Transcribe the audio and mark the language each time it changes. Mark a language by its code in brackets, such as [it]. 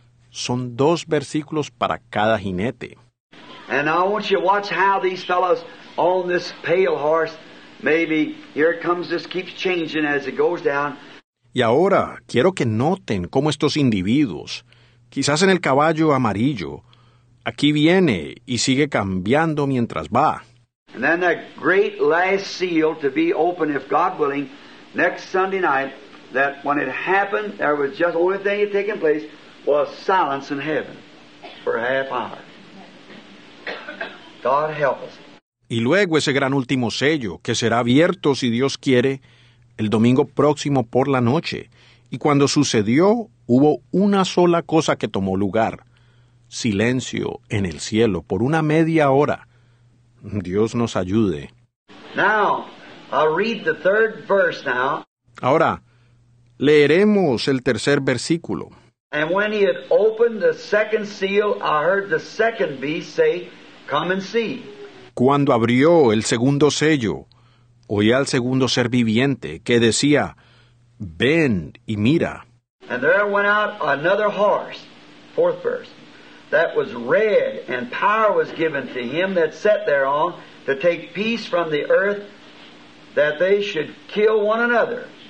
[es] Son dos versículos para cada jinete. [en] And I want you to watch how these fellows on this pale horse, maybe here it comes, just keeps changing as it goes down. [es] Y ahora quiero que noten cómo estos individuos, quizás en el caballo amarillo, aquí viene y sigue cambiando mientras va. [en] And then that great last seal to be open, if God willing, next Sunday night, that when it happened, there was just the only thing that had taken place was silence in heaven for a half hour. God help us. [es] Y luego ese gran último sello, que será abierto, si Dios quiere, el domingo próximo por la noche. Y cuando sucedió, hubo una sola cosa que tomó lugar. Silencio en el cielo por una media hora. Dios nos ayude. [en] Now, I'll read the third verse now. [es] Ahora, leeremos el tercer versículo. [en] And when he had opened the second seal, I heard the second beast say, come and see. [es] Cuando abrió el segundo sello, oí al segundo ser viviente que decía, ven y mira. [en] And there went out another horse, fourth verse, that was red, and power was given to him that sat thereon to take peace from the earth, that they should kill one another.